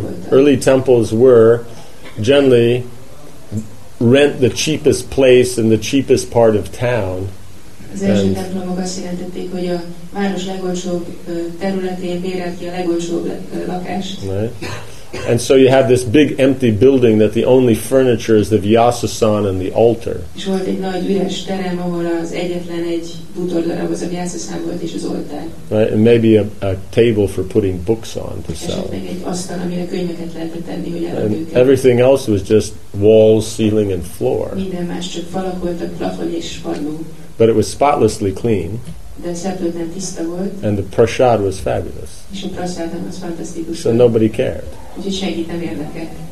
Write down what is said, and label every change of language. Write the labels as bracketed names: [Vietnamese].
[English] Early temples were generally rent the cheapest place in the cheapest part of town. [Hungarian] Az első templomok azt jelentették, hogy a város legolcsóbb területén bérelt ki a legolcsóbb lakást. [English] And so you have this big empty building that the only furniture is the vyasasan and the altar. [Hungarian] És volt egy nagy üres terem, ahol az egyetlen egy bútordarab az a vyasasan volt és az oltár. [English] Right, and maybe a table for putting books on to sell. [Hungarian] És egy asztal, amire könyveket lehetett tenni, hogy eladjuk. [English] And everything else was just walls, ceiling and floor. [Hungarian] Minden más csak falak voltak, plafon és padló. [English] But it was spotlessly clean. [Hungarian] De szeplőtlen tiszta volt. [English] And the prasad was fabulous. [Hungarian] És a prasad az fantasztikus. [English] So nobody cared. [Hungarian] Úgyhogy senkit nem érdekel.